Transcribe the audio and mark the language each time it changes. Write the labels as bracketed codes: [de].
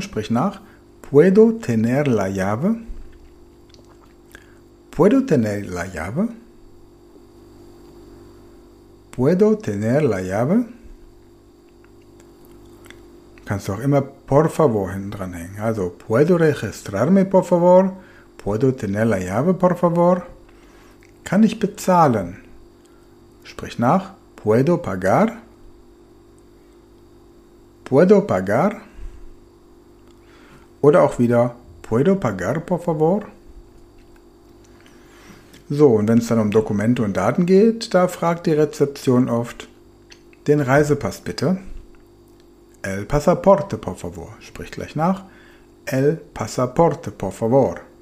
[de] Sprich nach. [es] Puedo tener la llave. Puedo tener la llave. Puedo tener la llave. [de] Kannst du auch immer [es] por favor [de] hinten dran hängen. [es] Also puedo registrarme por favor. Puedo tener la llave por favor. [de] Kann ich bezahlen? Sprich nach. [es] Puedo pagar. Puedo pagar. [de] Oder auch wieder, [es] puedo pagar, por favor. [de] So, und wenn es dann um Dokumente und Daten geht, da fragt die Rezeption oft, den Reisepass bitte. [es] El pasaporte, por favor. [de] Sprich gleich nach. [es] El pasaporte, por favor.